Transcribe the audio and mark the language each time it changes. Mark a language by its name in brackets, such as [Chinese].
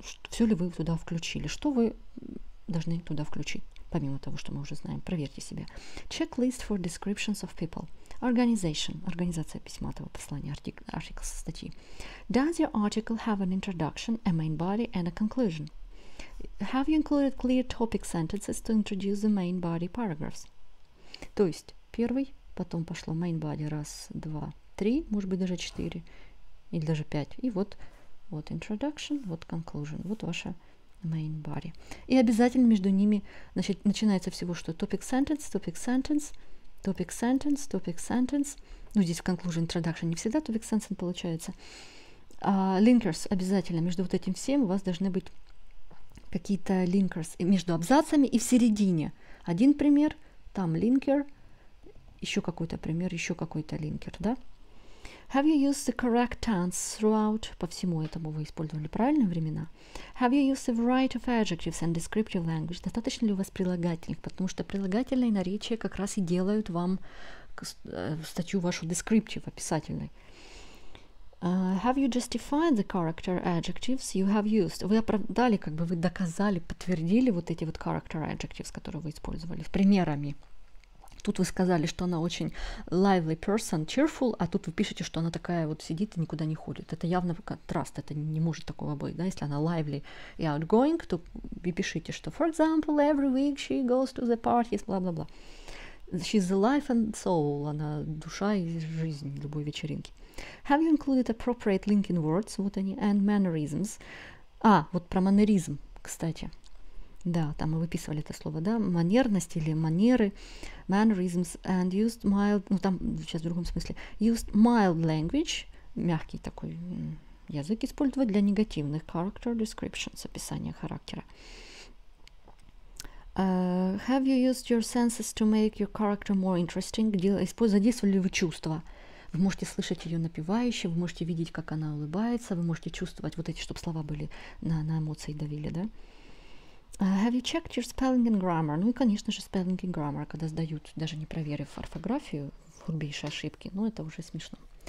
[Russian] Все ли вы туда включили? Что вы должны туда включить, помимо того, что мы уже знаем? Проверьте себе. [English] Checklist for descriptions of people. Organization. [Russian] Организация письма этого послания. Article статьи. [English] Does your article have an introduction, a main body and a conclusion? Have you included clear topic sentences to introduce the main body paragraphs? [Russian] То есть первый, потом пошло main body, раз, два, три, может быть даже четыре, или даже пять. И вот, вот introduction, вот conclusion, вот ваша main body. И обязательно между ними, значит, начинается всего что topic sentence, topic sentence, topic sentence, topic sentence. Ну, здесь в conclusion, introduction не всегда topic sentence получается. Linkers обязательно между вот этим всем у вас должны быть какие-то linkers между абзацами и в середине. Один пример, там linker, еще какой-то пример, еще какой-то linker, да? [English] Have you used the correct tense throughout? [Russian] По всему этому вы использовали правильные времена? [English] Have you used a variety of adjectives and descriptive language? [Russian] Достаточно ли у вас прилагательных? Потому что прилагательные наречия как раз и делают вам статью вашу descriptive, описательной. [English] Have you justified the character adjectives you have used? [Russian] Вы оправдали, как бы вы доказали, подтвердили вот эти вот character adjectives, которые вы использовали, с примерами. Тут вы сказали, что она очень lively person, cheerful, а тут вы пишете, что она такая вот сидит и никуда не ходит. Это явно контраст, это не может такого быть, да? Если она lively и outgoing, то вы пишите, что [English] for example, every week she goes to the parties, [Russian] бла-бла-бла. [English] She's the life and soul, [Russian] она душа и жизнь любой вечеринки. [English] Have you included appropriate linking words, [Russian] вот они, [English] and mannerisms? [Russian] А, вот про манеризм, кстати. Да, там мы выписывали это слово, да, манерность или манеры, mannerisms, and used mild, ну там сейчас в другом смысле, [English] used mild language, [Russian] мягкий такой язык использовать для негативных character descriptions, описания характера. [English] Have you used your senses to make your character more interesting? [Russian] Задействовали ли вы чувства? Вы можете слышать ее напевающе, вы можете видеть, как она улыбается, вы можете чувствовать вот эти, чтобы слова были на эмоции давили, да? [English] Have you checked your spelling and grammar? [Russian] Ну и, конечно же, [English] spelling and grammar, [Russian] когда сдают, даже не проверив орфографию, грубейшие ошибки, ну это уже смешно.